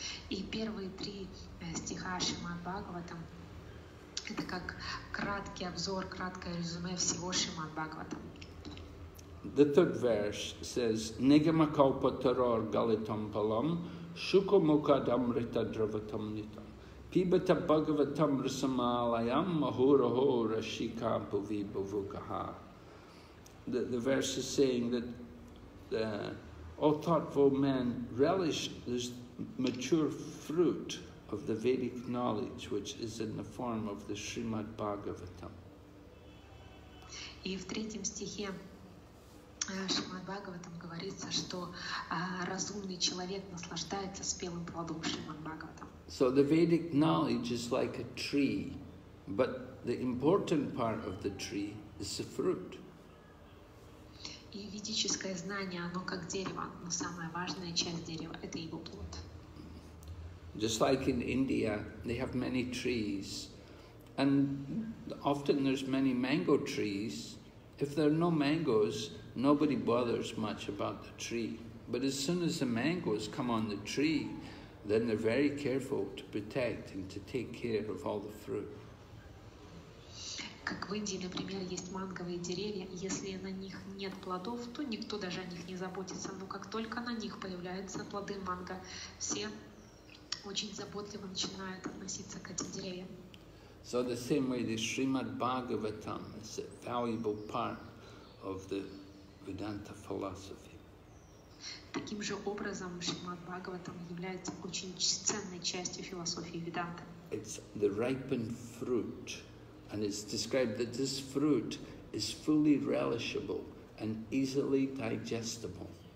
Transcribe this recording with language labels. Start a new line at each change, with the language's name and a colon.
Russian: И первые три стиха Шримад Бхагаватам это как краткий обзор, краткое резюме всего Шримад Бхагаватам.
English: The third verse says
Sanskrit: Nigama Kalpataror Galitam Palam Shuka Mukadam Rita Dravatam Nitam. Pibata Bhagavatam Rasamalayam Mahuraho Rashika Bhuvi Bhuvukaha.
English: The verse is saying that the all thoughtful men relish this mature fruit of the Vedic knowledge, which is in the form of the Srimad Bhagavatam.
Russian: И в третьем стихе Шримад Бхагаватам говорится, что разумный человек наслаждается спелым плодом Шримад Бхагаватам.
English: So the Vedic knowledge is like a tree, but the important part of the tree is the fruit.
Russian: И ведическое знание, оно как дерево, но самая важная часть дерева — это его плод.
English: Just like in India, they have many trees, and often there's many mango trees. If there are no mangoes, nobody bothers much about the tree. But as soon as the mangoes come on the tree, then they're very careful to protect and to take care of all the fruit.
Russian: Как в Индии, например, есть манговые деревья. Если на них нет плодов, то никто даже о них не заботится. Но как только на них появляются плоды манго, все очень заботливо начинают относиться к этим деревьям.
English: So the same way the Srimad Bhagavatam is a valuable part of the Vedanta philosophy.
Russian: Таким же образом Шримад Бхагаватам является очень ценной частью философии Веданты.
English: It's the ripened fruit, and it's described that this fruit is fully relishable and easily digestible.